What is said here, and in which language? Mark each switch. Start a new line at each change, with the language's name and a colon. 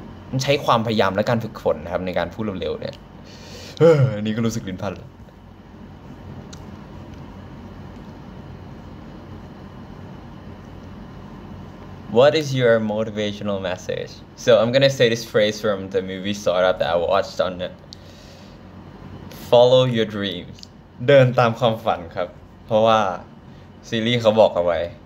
Thai: มันใช้ความพยายามและการฝึกฝนนะครับในการพูดเร็วๆเนี่ยอันนี้ก็รู้สึกลิ้นพัน
English: What is your motivational message? So I'm gonna say this phrase from the movie Startup that I watched on it. Follow your dreams.
Thai: เดินตามความฝันครับเพราะว่าซีรีส์เขาบอกเอาไว้